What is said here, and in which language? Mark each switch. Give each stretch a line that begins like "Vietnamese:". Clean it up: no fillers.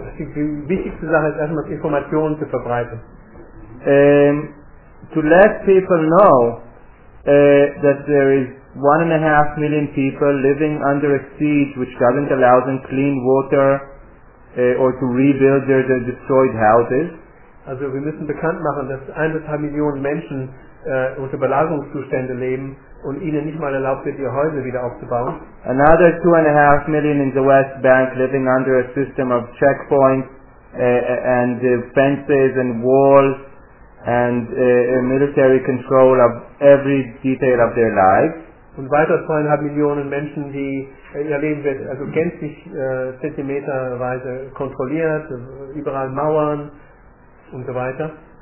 German: Die wichtigste Sache ist erstmal Informationen zu verbreiten.
English: To let people know that there is 1.5 million people living under a siege which doesn't allow them clean water or to rebuild their destroyed houses.
German: Also wir müssen bekannt machen, dass 1.5 Millionen Menschen unter Belagerungszustände leben und ihnen nicht mal erlaubt wird, ihr Häuser wieder aufzubauen.
English: Another 2.5 million in the West Bank living under a system of checkpoints and fences and walls and military control of every detail of their lives.
German: Und weiter 2.5 Millionen Menschen, die ihr Leben wird also gänzlich zentimeterweise kontrolliert, überall Mauern und so weiter.